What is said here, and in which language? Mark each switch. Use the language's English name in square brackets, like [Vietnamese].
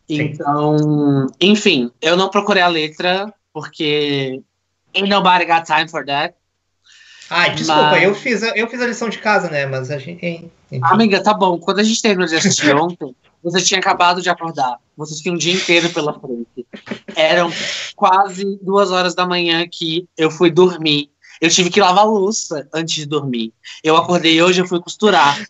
[Portuguese] Então, enfim, eu não procurei a letra. Porque [English] ain't nobody got time for that. [Portuguese] Ai, desculpa, Mas. eu fiz a lição de casa, né? Mas a gente, enfim. Amiga, tá bom. Quando a gente terminou de assistir ontem, você tinha acabado de acordar. Você tinha um dia inteiro pela frente. Eram quase 2 horas da manhã que eu fui dormir. Eu tive que lavar a louça antes de dormir. Eu acordei hoje, eu fui costurar.